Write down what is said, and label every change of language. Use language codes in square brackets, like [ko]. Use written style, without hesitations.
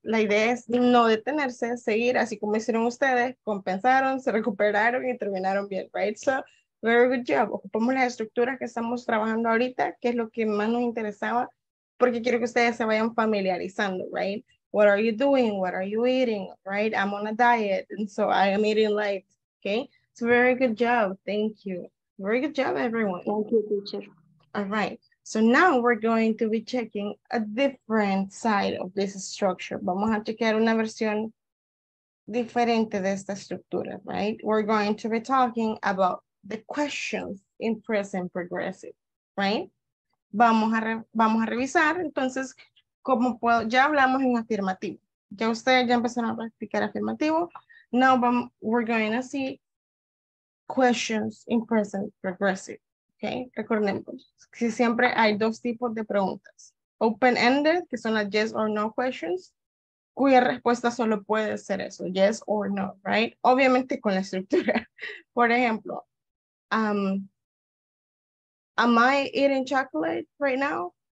[es] La idea es no detenerse, seguir así como hicieron ustedes, compensaron, se recuperaron y terminaron bien, right? [en] So, very good job. [es] Ocupamos las estructuras que estamos trabajando ahorita, que es lo que más nos interesaba, porque quiero que ustedes se vayan familiarizando, right? [en] What are you doing? What are you eating? Right? I'm on a diet, and so I am eating light, okay? So very good job. Thank you. Very good job, everyone. Thank you, teacher. All right. So now we're going to be checking a different side of this structure. [es] Vamos a chequear una versión diferente de esta estructura, right? [en] We're going to be talking about the questions in present progressive, right? [es] Vamos a revisar, entonces, cómo puedo. Ya hablamos en afirmativo. Ya ustedes ya empezaron a practicar afirmativo. [en] Now we're going to see questions in present progressive. [es] Okay, recordemos que siempre hay dos tipos de preguntas. Open-ended, que son las yes or no questions, cuya respuesta solo puede ser eso, yes or no, right? Obviamente con la estructura. Por ejemplo, [en] am I eating chocolate right now?